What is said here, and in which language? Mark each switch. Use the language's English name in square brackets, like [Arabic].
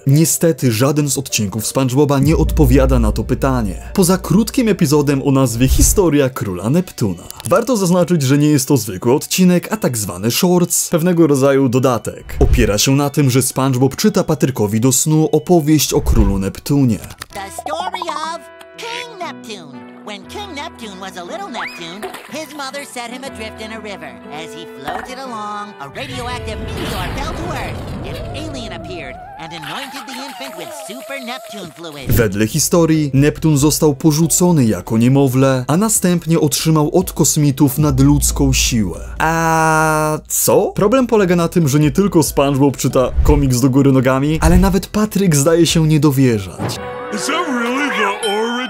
[Polish] Niestety, żaden z odcinków SpongeBoba nie odpowiada na to pytanie. Poza krótkim epizodem o nazwie Historia Króla Neptuna. Warto zaznaczyć, że nie jest to zwykły odcinek, a tak zwany shorts, pewnego rodzaju dodatek. Opiera się na tym, że SpongeBob czyta Patrykowi do snu opowieść o królu Neptunie. [English] The story of King Neptune. When King Neptune was a little Neptune, his mother set him adrift in a river. As he floated along, a radioactive meteor fell to earth. An alien appeared and anointed the infant with super Neptune fluid. [Polish] Wedle historii, Neptun został porzucony jako niemowlę, a następnie otrzymał od kosmitów nadludzką siłę. A co? Problem polega na tym, że nie tylko SpongeBob czyta komiks do góry nogami, ale nawet Patryk zdaje się nie dowierzać. [English] Is that really the origin?